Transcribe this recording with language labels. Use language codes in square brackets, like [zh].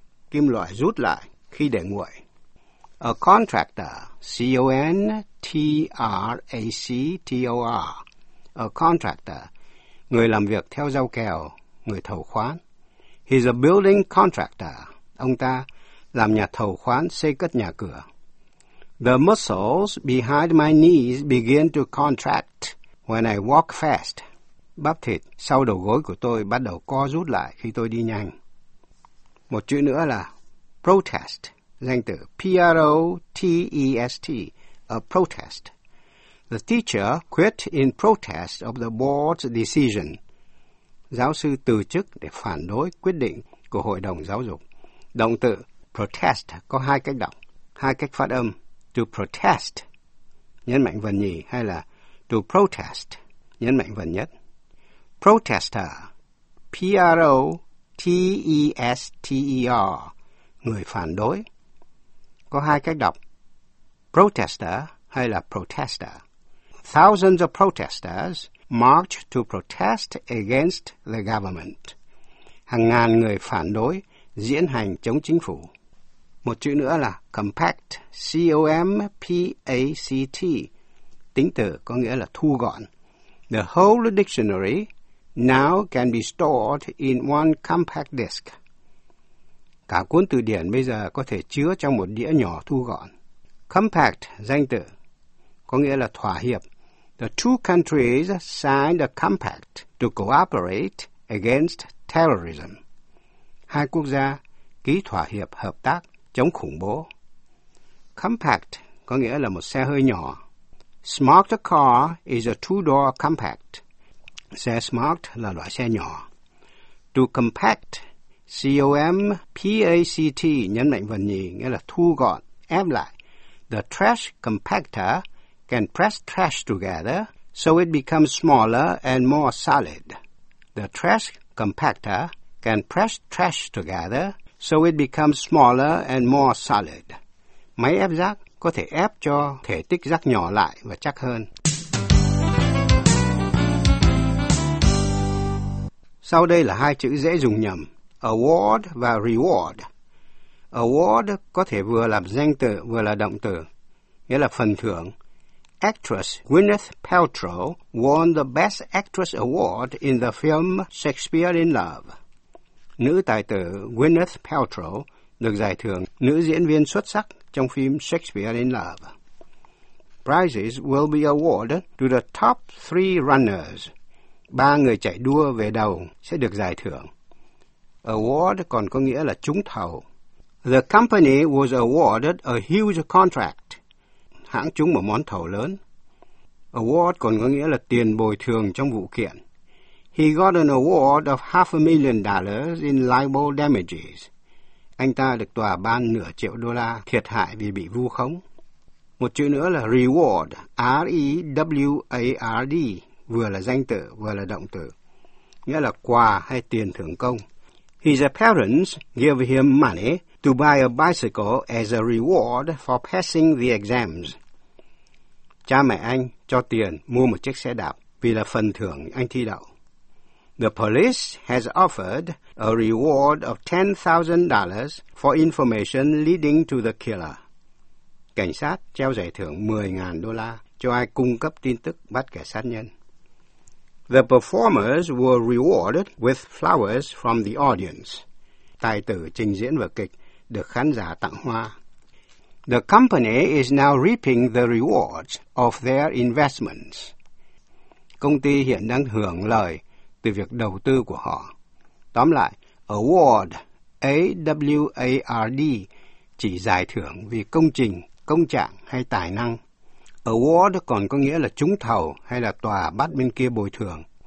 [vi] Kim loại rút lại khi để nguội. [en] A contractor, C-O-N-T-R-A-C-T-O-R, [vi] a contractor, người làm việc theo giao kèo, người thầu khoán. [en] He's a building contractor. [vi] Ông ta làm nhà thầu khoán xây cất nhà cửa. [en] The muscles behind my knees begin to contract when I walk fast. [vi] Bắp thịt sau đầu gối của tôi bắt đầu co rút lại khi tôi đi nhanh. Một chữ nữa là protest, danh từ P-R-O-T-E-S-T, a protest. [en] The teacher quit in protest of the board's decision. [vi] Giáo sư từ chức để phản đối quyết định của hội đồng giáo dục. Động từ protest có hai cách đọc, hai cách phát âm. To protest, nhấn mạnh vần nhì, hay là to protest, nhấn mạnh vần nhất. Protester, P-R-O-T-E-S-T-E-R, người phản đối. Có hai cách đọc, protester hay là protester. [en] Thousands of protesters marched to protest against the government. [vi] Hàng ngàn người phản đối diễn hành chống chính phủ. Một chữ nữa là compact, C-O-M-P-A-C-T, tính từ có nghĩa là thu gọn. [en] The whole dictionary now can be stored in one compact disc. [vi] Cả cuốn từ điển bây giờ có thể chứa trong một đĩa nhỏ thu gọn. Compact, danh từ, có nghĩa là thỏa hiệp. [en] The two countries signed a compact to cooperate against terrorism. [vi] Hai quốc gia ký thỏa hiệp hợp tác chống khủng bố. Compact có nghĩa là một xe hơi nhỏ. [en] Smart car is a two-door compact. [vi] Xe smart là loại xe nhỏ. To compact, C-O-M-P-A-C-T, nhấn mạnh vần nhì, nghĩa là thu gọn, ép lại. [en] The trash compactor can press trash together so it becomes smaller and more solid. The trash compactor can press trash together so it becomes smaller and more solid. [vi] Máy ép rác có thể ép cho thể tích rác nhỏ lại và chắc hơn. Sau đây là hai chữ dễ dùng nhầm, award và reward. Award có thể vừa là danh từ vừa là động từ, nghĩa là phần thưởng. [en] Actress Gwyneth Paltrow won the Best Actress Award in the film Shakespeare in Love. [vi] Nữ tài tử Gwyneth Paltrow được giải thưởng nữ diễn viên xuất sắc trong phim Shakespeare in Love. [en] Prizes will be awarded to the top three runners. [vi] Ba người chạy đua về đầu sẽ được giải thưởng. Award còn có nghĩa là trúng thầu. [en] The company was awarded a huge contract. [vi] Hãng trúng một món thầu lớn. Award còn có nghĩa là tiền bồi thường trong vụ kiện. [en] He got an award of $500,000 in libel damages. [vi] Anh ta được tòa ban nửa triệu đô la thiệt hại vì bị vu khống. Một chữ nữa là reward, R-E-W-A-R-D, vừa là danh từ vừa là động từ, nghĩa là quà hay tiền thưởng công. [en] His parents gave him money to buy a bicycle as a reward for passing the exams. [vi] Cha mẹ anh cho tiền mua một chiếc xe đạp vì là phần thưởng anh thi đậu. [en] The police has offered a reward of $10,000 for information leading to the killer. [vi] Cảnh sát treo giải thưởng $10,000 cho ai cung cấp tin tức bắt kẻ sát nhân. [en] The performers were rewarded with flowers from the audience. [vi] Tài tử trình diễn vở kịch được khán giả tặng hoa. [en] The company is now reaping the rewards of their investments. [vi] Công ty hiện đang hưởng lợi từ việc đầu tư của họ. Tóm lại, award, A-W-A-R-D, chỉ giải thưởng vì công trình, công trạng hay tài năng. Award còn có nghĩa là trúng thầu hay là tòa bắt bên kia bồi thường.